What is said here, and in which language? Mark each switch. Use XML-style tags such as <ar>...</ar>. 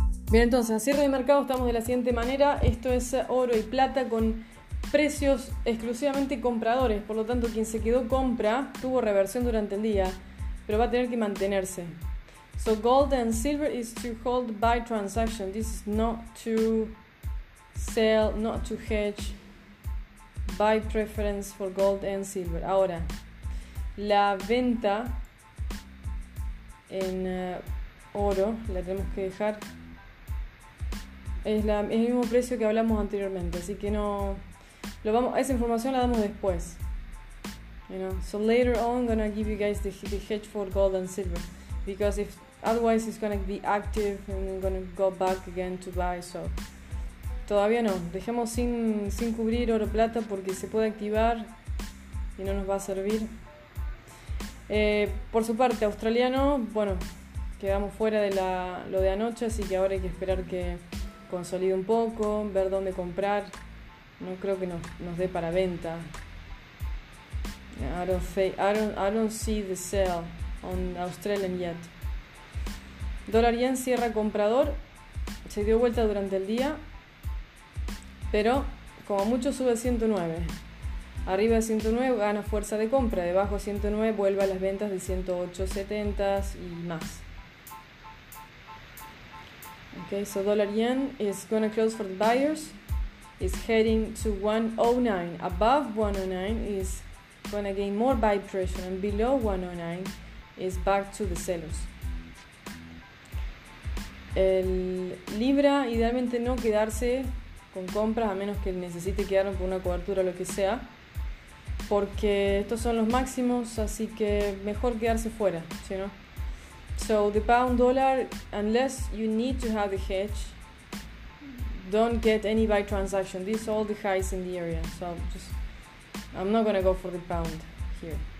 <es>Bien, entonces, a cierre de mercado estamos de la siguiente manera. Esto es oro y plata con precios exclusivamente compradores. Por lo tanto, quien se quedó compra tuvo reversión durante el día, pero va a tener que mantenerse.</es> <en>So, gold and silver is to hold by transaction. This is not to sell, not to hedge. Buy preference for gold and silver.</en> <es>Ahora, la venta en oro la tenemos que dejar. Es el mismo precio que hablamos anteriormente, así que no lo vamos, esa información la damos después.</es> <en>You know, so later on I'm gonna give you guys the hedge for gold and silver, because if otherwise it's gonna be active and I'm gonna go back again to buy.</en> <es>So todavía no, dejemos sin cubrir oro plata porque se puede activar y no nos va a servir. Por su parte, australiano, bueno, quedamos fuera de lo de anoche, así que ahora hay que esperar que consolide un poco, ver dónde comprar. No creo que nos dé para venta.</es> <en>I don't see the sale on Australian yet.</en> <es>Dólar yen cierra comprador, se dio vuelta durante el día, pero como mucho sube 109. Arriba de 109 gana fuerza de compra, debajo de 109 vuelve a las ventas de 108.70 y más.</es> <en>Okay, so dollar yen is going to close for the buyers. It's heading to 109. Above 109 is going to gain more buy pressure, and below 109 is back to the sellers.</en> <es>El libra, idealmente no quedarse con compras a menos que necesite quedarlo por una cobertura o lo que sea, porque estos son los máximos, así que mejor quedarse fuera, ¿sí no?</es> <en>So the pound dollar, unless you need to have the hedge, don't get any buy transaction. These are all the highs in the area, so I'm not gonna go for the pound here.</en>